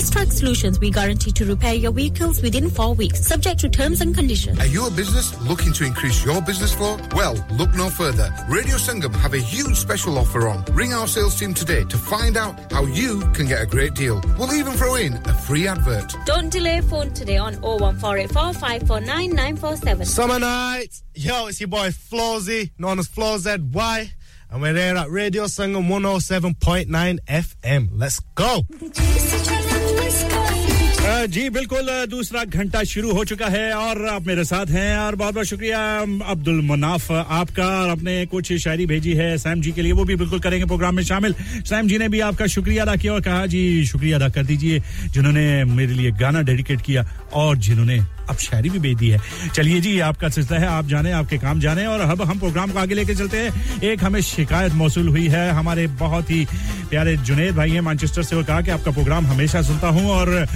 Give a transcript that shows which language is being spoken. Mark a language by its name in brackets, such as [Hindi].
[English] Fast Track Solutions we guarantee to repair your vehicles within 4 weeks subject to terms and conditions are you a business looking to increase your business flow well look no further Radio Sangam have a huge special offer on ring our sales team today To find out how you can get a great deal, we'll even throw in a free advert. Don't delay, phone today on 01484549947. Summer night! Yo, it's your boy Flozy, known as FlozZY, and we're here at Radio Sangam 107.9 FM. Let's go! [Hindi] जी बिल्कुल दूसरा घंटा शुरू हो चुका है और आप मेरे साथ हैं और बहुत बहुत शुक्रिया अब्दुल मनाफ आपका आपने कुछ शायरी भेजी है सैम जी के लिए वो भी बिल्कुल करेंगे प्रोग्राम में शामिल सैम जी ने भी आपका शुक्रिया अदा किया और कहा जी शुक्रिया अदा कर दीजिए जिन्होंने मेरे लिए गाना डेडिकेट किया और जिन्होंने अब शायरी भी भेज दी है चलिए जी आपका सिलसिला है आप जाने आपके काम जाने और अब हम प्रोग्राम को आगे लेके चलते हैं एक हमें शिकायत मौसूल हुई है हमारे बहुत ही प्यारे जुनेद भाई हैं मैनचेस्टर से वो कहा कि आपका प्रोग्राम हमेशा सुनता हूं और